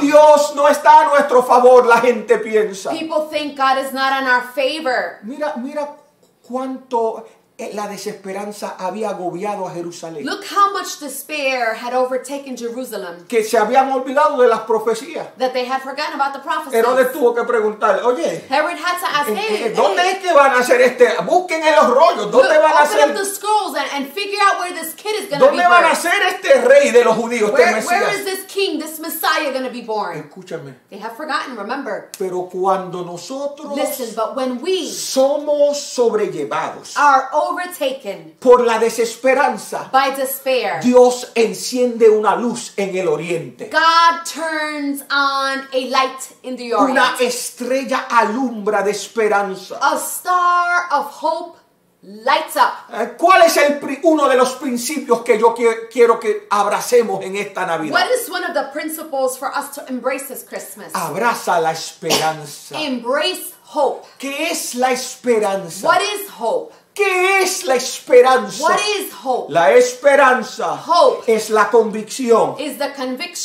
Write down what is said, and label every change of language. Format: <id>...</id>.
<es>Dios no está a nuestro favor, la gente piensa.</es> <en>People think God is not in our favor.</en> <es>Mira, mira cuánto la desesperanza había agobiado a Jerusalén.</es> <en>Look how much despair had overtaken Jerusalem.</en> <es>Que se habían olvidado de las profecías.</es> <en>That they had forgotten about the prophecies.</en> <es>Herodes tuvo que preguntar, oye.</es> <en>Herod had to ask, hey,</en> <es>¿dónde</es> <en>hey,</en> <es>es que van a hacer este? Busquen en los rollos. ¿Dónde van a hacer?</es> <en>Open up the scrolls and figure out where this kid is going to be</en> <es>born. ¿Dónde van a hacer este rey de los judíos, este Mesías?</es> <en>Where is this king, this Messiah going to be born?</en> <es>Escúchame.</es> <en>They have forgotten, remember.</en> <es>Pero cuando nosotros.</es> <en>Listen, but when we.</en> <es>Somos sobrellevados.</es> <en>Are overtaken</en> <es>por la desesperanza,</es> <en>by despair,</en> <es>Dios enciende una luz en el oriente.</es> <en>God turns on a light in the orient.</en> <es>Una estrella alumbra de esperanza.</es> <en>A star of hope lights up.</en> <es>¿Cuál es uno de los principios que yo quiero que abracemos en esta Navidad?</es> <en>What is one of the principles for us to embrace this Christmas?</en> <es>Abraza la esperanza.</es> <en>Embrace hope.</en> <es>¿Qué es la esperanza?</es> <en>What is hope?</en> <es>¿Qué es la esperanza?</es> <en>What is hope?</en> <es>La esperanza</es> <en>hope</en> <es>es la convicción.</es> <en>Is the conviction</en>